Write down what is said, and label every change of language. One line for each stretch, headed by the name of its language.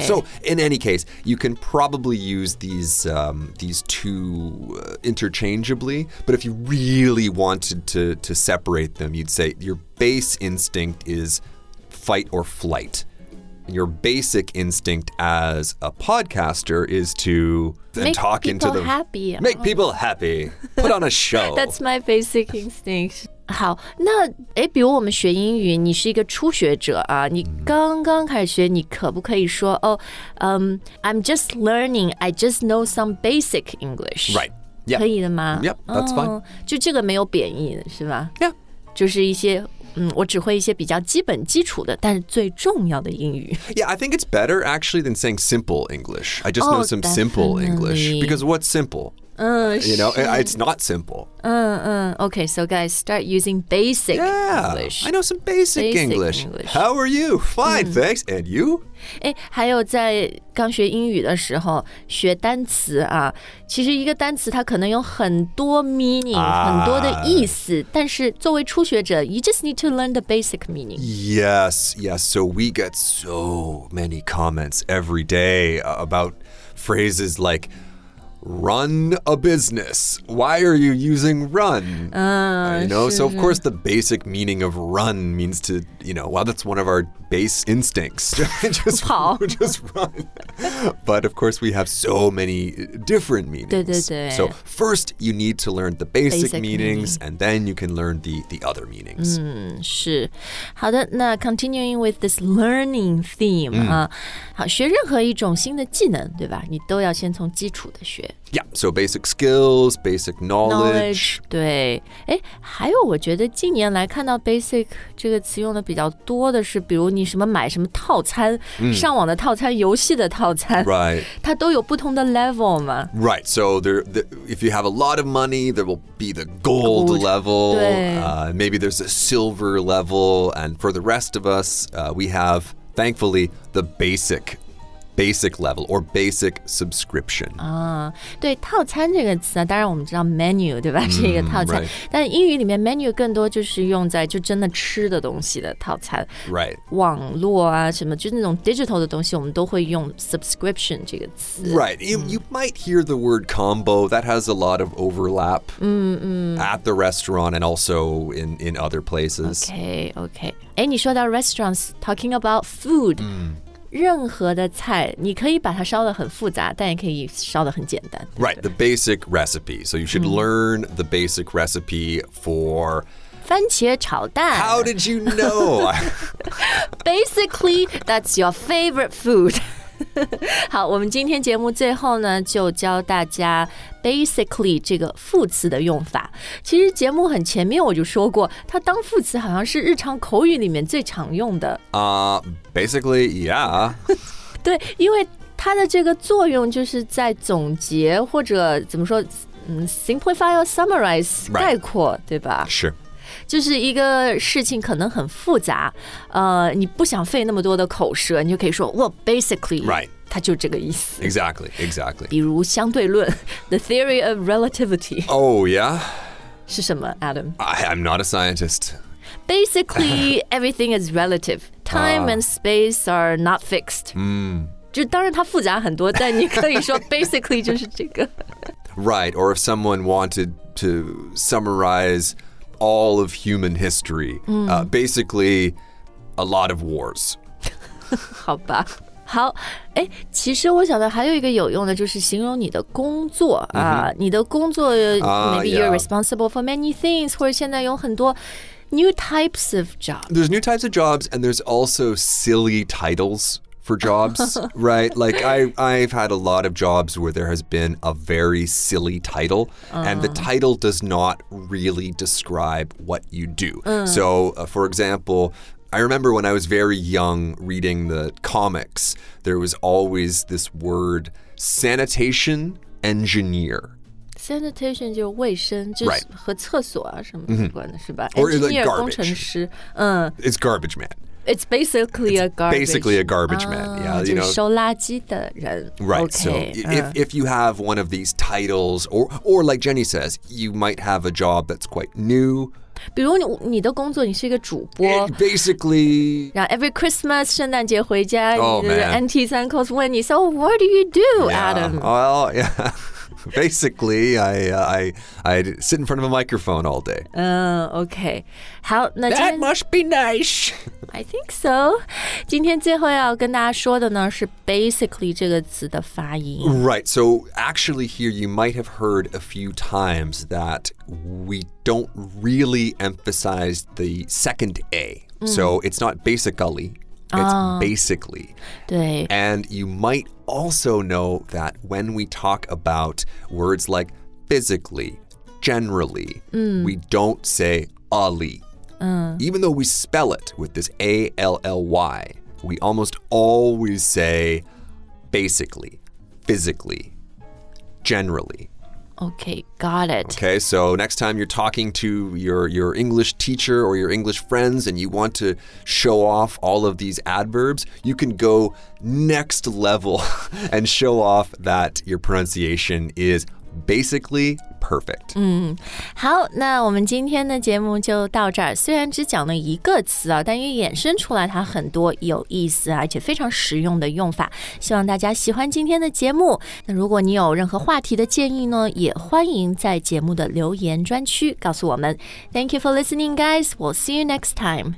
English: So in any case, you can probably use these two interchangeably, but if you really wanted to separate them, you'd say your base instinct is fight or flight. Your basic instinct as a podcaster is to talk into the... Make people happy. Put on a show. That's my basic instinct.
Chinese: 好，那比如我们学英语，你是一个初学者啊，你刚刚开始学，你可不可以说，
English: I'm just learning, I just know some basic English. Right. Yeah.
Chinese: 可以的吗？
English: Yep, that's fine.
Chinese: 就这个没有贬义，是吧？
English: Yeah.
Chinese: 就是一些我只会一些比较基本基础的，但是最重要的英语。
English: Yeah, I think it's better actually than saying simple English. I just know some simple English. Because what's simple? You know, it's not simple. Okay, so guys, start using basic English. Yeah, I know some basic English. How are you? Fine, thanks. And you?
Chinese: 还有在刚学英语的时候学单词啊，其实一个单词它可能有很多 meaning, 很多的意思，但是作为初学者
English: you just need to learn the basic meaning. Yes, yes. So we get so many comments every day about phrases like run a business. Why are you using run? You know, so of course the basic meaning of run means to, you know, well, that's one of our base instincts. just run. But of course we have so many different meanings.
Chinese: 对对对。
English: So first you need to learn the basic meanings, and then you can learn the other meanings.
Chinese: 是。好的，那
English: continuing with this learning theme,
Chinese: 好，学任何一种新的技能，对吧？你都要先从基础的学。
English: Yeah, so basic skills, basic knowledge.
Chinese: 对，哎，还有我觉得近年来看到 basic 这个词用的比较多的是，比如你什么买什么套餐，上网的套餐，游戏的套餐，
English: right?
Chinese: 它都有不同的 level 嘛。
English: Right, so there, if you have a lot of money, there will be the gold level.
Chinese: 对
English: ，maybe there's a silver level, and for the rest of us, we have, thankfully, the basic level or basic subscription.
Chinese: 啊，对，套餐这个词啊，当然我们知道 menu 对吧？是一个套餐。
English: Right.
Chinese: 但英语里面 menu 更多就是用在就真的吃的东西的套餐。
English: Right.
Chinese: 网络啊什么，就那种 digital 的东西，我们都会用 subscription 这个词。
English: Right. You might hear the word combo. That has a lot of overlap. At the restaurant and also in other places. Okay. Okay. 哎，
Chinese: 你说到
English: restaurants, talking about food.
Chinese: 任何的菜你可以把它烧得很复杂但也可以烧得很简单对不对
English: Right, the basic recipe. So you should learn the basic recipe for
Chinese: 番茄炒蛋
English: How did you know? Basically, that's your favorite food.
Chinese: 好我们今天节目最后呢就教大家 basically 这个副词的用法其实节目很前面我就说过它当副词好像是日常口语里面最常用的
English: basically yeah
Chinese: 对因为它的这个作用就是在总结或者怎么说、
English: simplify or summarize、 right.
Chinese: 概括对吧是就是一个事情可能很复杂你不想费那么多的口舌你就可以说
English: well, basically, right.
Chinese: 它就这个意思。
English: Exactly, exactly.
Chinese: 比如相对论
English: the theory of relativity. Oh, yeah.
Chinese: 是什么 Adam?
English: I'm not a scientist. Basically, everything is relative. Time and space are not fixed.
Chinese: 就当然它复杂很多但你可以说 basically 就是这个。
English: Right, or if someone wanted to summarize... all of human history. Basically, a lot of wars.
Chinese: 好吧。好。诶，其实我想到还有一个有用的就是形容你的工作。你的工作
English: maybe you're responsible for many things,
Chinese: 或者现在有很多
English: new types of jobs. There's new types of jobs, and there's also silly titles for jobs, right? Like, I've had a lot of jobs where there has been a very silly title, and the title does not really describe what you do. So, for example, I remember when I was very young reading the comics, there was always this word, sanitation engineer.
Chinese: Sanitation 就是卫生，就是和厕所啊什么相关的，是吧
English: ？Or like garbage.
Chinese: 工程师，
English: It's garbage man. It's basically a garbage. Basically a garbage man. Yeah, you know.
Chinese: 就是收垃圾的人。
English: Right. Okay, so if you have one of these titles, or like Jenny says, you might have a job that's quite new.
Chinese: 比如 你的工作你是一个主播
English: Basically Every Christmas
Chinese: 圣诞节回家、
English: oh, Aunties, uncles
Chinese: 问你
English: So what do you do, Adam? Well, yeah Basically I sit in front of a microphone all day Okay
Chinese: 好那
English: That must be nice I think so
Chinese: 今天最后要跟大家说的呢是 basically 这个词的发音
English: Right, so actually here you might have heard a few times that we don't really emphasize the second A. So it's not basically, it's basically. 对。 And you might also know that when we talk about words like physically, generally, we don't say ally. Even though we spell it with this A-L-L-Y, we almost always say basically, physically, generally. Okay, got it. Okay, so next time you're talking to your English teacher or your English friends and you want to show off all of these adverbs, you can go next level and show off that your pronunciation is basically perfect.
Chinese: 好，那我们今天的节目就到这儿。虽然只讲了一个词啊，但也衍生出来它很多有意思而且非常实用的用法。希望大家喜欢今天的节目。那如果你有任何话题的建议呢，也欢迎在节目的留言专区告诉我们。
English: Thank you for listening, guys. We'll see you next time.